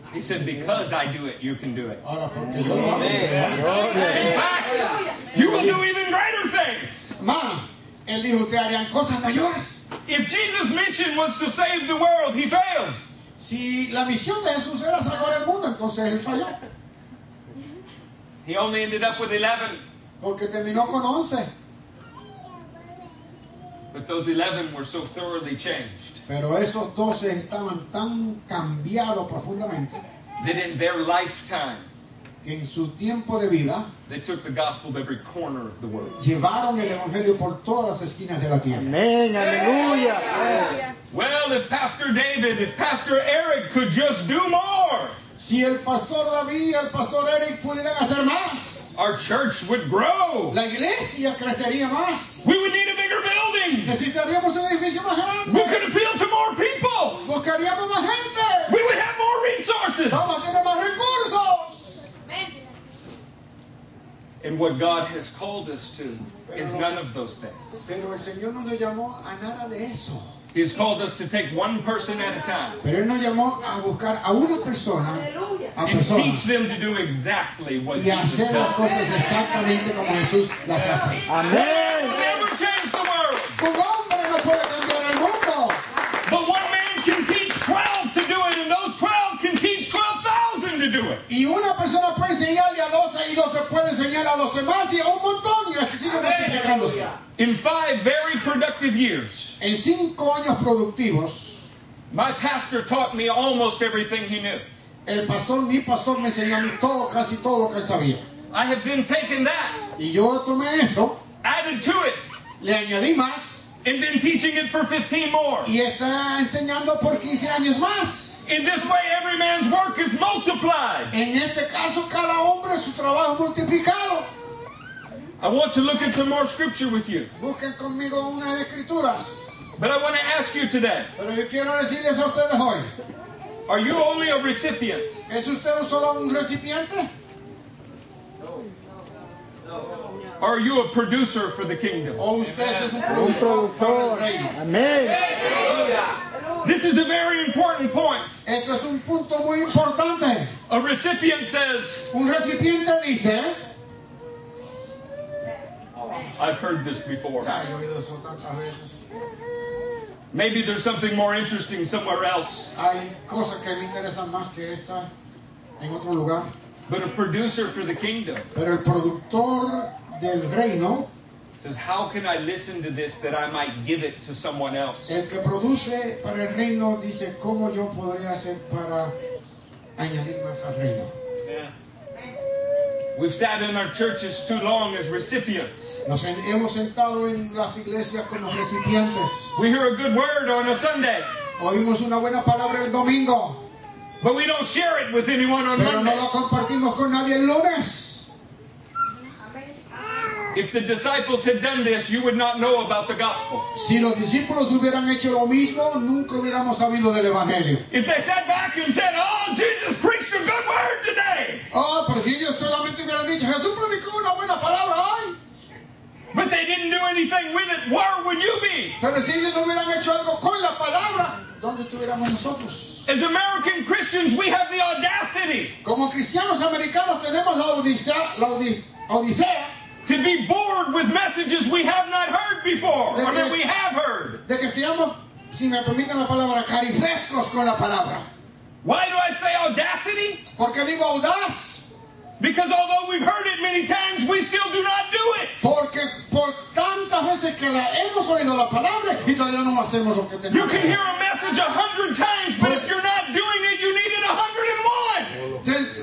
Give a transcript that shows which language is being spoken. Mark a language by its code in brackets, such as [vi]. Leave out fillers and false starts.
[en] He said, because I do it, you can do it. [es] Ahora, porque yo lo hago. [en] In fact, you will do even greater things. [es] Ma. Él dijo, ustedes harían cosas mayores. [en] If Jesus' mission was to save the world, he failed. [es] Si la misión de Jesús era salvar el mundo, entonces él falló. [en] He only ended up with 11. [es] Porque terminó con 11. [en] But those 11 were so thoroughly changed. [es] Pero esos 12 estaban tan cambiados profundamente. [en] That in their lifetime. [es] Que en su tiempo de vida. [en] They took the gospel to every corner of the world. [es] Llevaron el evangelio por todas las esquinas de la tierra. Amén, aleluya. [en] Well, if Pastor David, if Pastor Eric could just do more. [es] Si el Pastor David y el Pastor Eric pudieran hacer más. [en] Our church would grow. [es] La iglesia crecería más. [en] We would need a bigger building. [es] Necesitaríamos un edificio más grande. [en] We could appeal to more people. [es] Buscaríamos más gente. [en] We would have more resources. [es] Vamos a tener más recursos. [en] And what God has called us to is none of those things. [es] Pero el Señor no nos llamó a nada de eso. [en] He has called us to take one person at a time. [es] Pero él nos llamó a buscar a una persona, a [en] and [es] persona. [en] Teach them to do exactly what [es] y [en] Jesus [es] hacer las cosas exactamente como Jesús las hace. Amén. [en] Never change the world. [es] Un hombre no puede cambiar el mundo. [en] But one man can teach 12 to do it, and those 12 can teach 12,000 to do it. [es] Y una persona puede enseñarle a 12 y 12 puede enseñar a 12 más y a un montón y así sigue multiplicándose. [en] In 5 very productive years. [es] En 5 años productivos. [en] My pastor taught me almost everything he knew. [es] El pastor, mi pastor me enseñó todo, casi todo lo que él sabía. [en] I have been taking that. [es] Y yo tomé eso. [en] Added to it. [es] Le añadí más. [en] And been teaching it for 15 more. [es] Y está enseñando por 15 años más. [en] In this way, every man's work is multiplied. [es] En este caso, cada hombre su trabajo multiplicado. [en] I want to look at some more scripture with you. [es] Busquen conmigo unas escrituras. [en] But I want to ask you today. [es] Pero yo quiero decirles a ustedes hoy. [en] Are you only a recipient? [es] ¿Es usted solo un recipiente? [en] No. Are you a producer for the kingdom? Amen. This is a very important point. [es] Esto es un punto muy importante. [en] A recipient says, [es] un recipiente dice, [en] I've heard this before. [es] Ya, yo he oído eso tantas veces. [en] Maybe there's something more interesting somewhere else. [es] Hay cosas que me interesan más que esta en otro lugar. [en] But a producer for the kingdom. [es] Pero el productor del reino. [en] Says, how can I listen to this that I might give it to someone else? [es] El que produce para el reino dice, ¿cómo yo podría hacer para añadir más al reino? [en] Yeah. We've sat in our churches too long as recipients. [es] Nos hemos sentado en las iglesias como recipientes. [en] We hear a good word on a Sunday. [es] Oímos una buena palabra el domingo. [en] But we don't share it with anyone on [es] Pero [en] Monday. [es] No lo compartimos con nadie el lunes. [en] If the disciples had done this, you would not know about the gospel. [es] Si los discípulos hubieran hecho lo mismo, nunca hubiéramos sabido del evangelio. [en] If they sat back and said, "Oh, Jesus preached a good word today." [es] Oh, pero si ellos solamente hubieran dicho, Jesús predicó una buena palabra hoy. [en] But they didn't do anything with it. Where would you be? [es] Pero si ellos no hubieran hecho algo con la palabra, ¿dónde estuviéramos nosotros? [en] As American Christians, we have the audacity. [es] Como cristianos americanos tenemos la odisea. [en] To be bored with messages we have not heard before, or that we have heard. [es] De que seamos, si me permiten la palabra, carifrescos con la palabra. [en] Why do I say audacity? [es] Porque digo audaz. [en] Because although we've heard it many times, we still do not do it. [es] Porque por tantas veces que la hemos oído la palabra, y todavía no hacemos lo que tenemos. [en] You can hear a message 100 times, but if you're not doing it, you need it 101.